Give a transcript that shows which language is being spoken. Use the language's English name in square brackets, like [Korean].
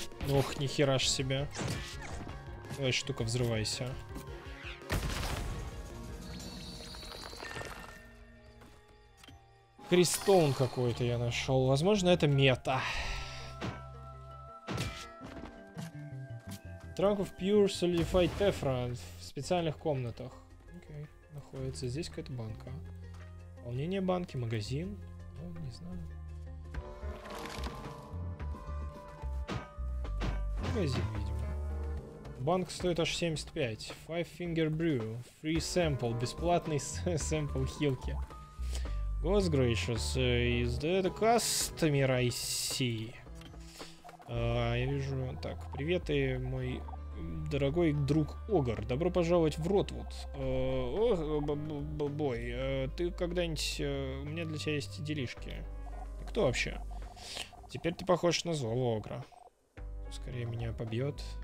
[Russian] Ох, нихера ж себе. Давай, штука, взрывайся. Кристон какой-то я нашел. Возможно, это мета. [English] Trunk of Pure Solidified Tephra [Russian] в специальных комнатах. [English] Окей. Okay. [Russian] Находится здесь какая-то банка. Пополнение банки, магазин. Ну, не знаю. Магазин, видимо. Банк стоит аж 75. [English] Five Finger Brew. Free sample. [Russian] Бесплатный sample хилки. [English] God's gracious, is that a customer I see? [Russian] Я вижу... Так, привет, и мой дорогой друг Огар. Добро пожаловать в Ротвуд. Бой, ты когда-нибудь... У меня для тебя есть делишки. Ты кто вообще? Теперь ты похож на злого Огра. Скорее меня побьет.